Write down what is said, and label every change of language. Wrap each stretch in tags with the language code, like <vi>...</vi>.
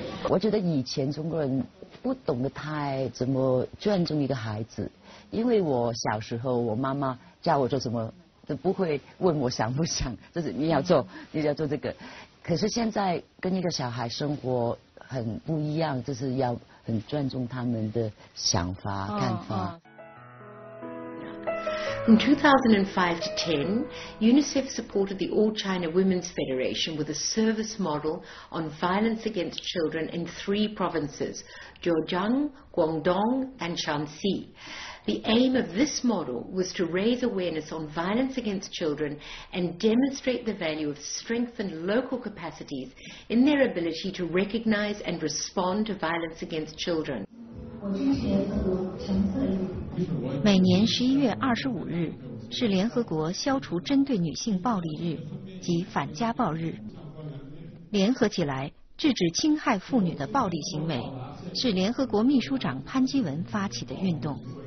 <zh>我觉得以前中国人不懂得太怎么尊重一个孩子，因为我小时候我妈妈叫我做什么都不会问我想不想，就是你要做你要做这个。可是现在跟一个小孩生活很不一样，就是要很尊重他们的想法、哦、看法。</zh> <en>From 2005 to 10, UNICEF supported the All China Women's Federation with a service model on violence against children in three provinces, Zhejiang, Guangdong and Shaanxi. The aim of this model was to raise awareness on violence against children and demonstrate the value of strengthened local capacities in their ability to recognize and respond to violence against children.</en> <zh>每年11月25日是联合国消除针对女性暴力日及反家暴日，联合起来制止侵害妇女的暴力行为，是联合国秘书长潘基文发起的运动。</zh>